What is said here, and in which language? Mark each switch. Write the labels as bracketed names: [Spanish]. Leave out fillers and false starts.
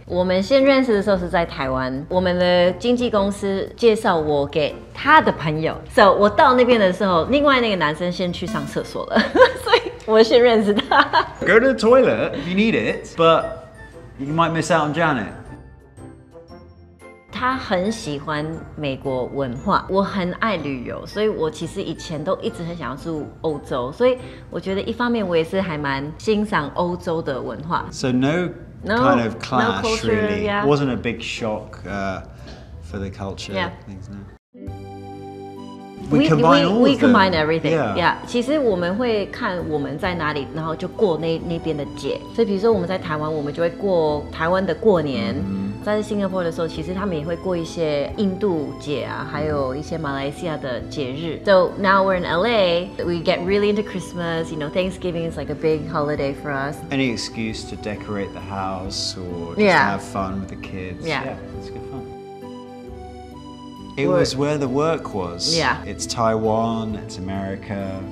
[Chinese] 我们先认识的时候是在台湾，我们的经纪公司介绍我给他的朋友。 So, 我到那边的时候，另外那个男生先去上厕所了。所以我先认识他。 [English] Go to the toilet if you need it, but you might miss out on Janet. [Chinese] 他很喜欢美国文化，我很爱旅游，所以我其实以前都一直很想要住欧洲，所以我觉得一方面我也是还蛮欣赏欧洲的文化。 [English] So no, no kind of clash, no culture, really.、 Yeah. Wasn't a big shock for the culture、 yeah. things now. We combine everything. Yeah. Yeah. [Chinese] 其实我们会看我们在哪里，然后就过那边的节。所以比如说我们在台湾，我们就会过台湾的过年。 Mm-hmm. 在新加坡的时候，其实他们也会过一些印度节啊，还有一些马来西亚的节日。 [English] So now we're in LA. We get really into Christmas. You know, Thanksgiving is like a big holiday for us. Any excuse to decorate the house or just、 yeah. have fun with the kids. Yeah. Yeah, it's good fun. It was where the work was. Yeah. It's Taiwan, it's America.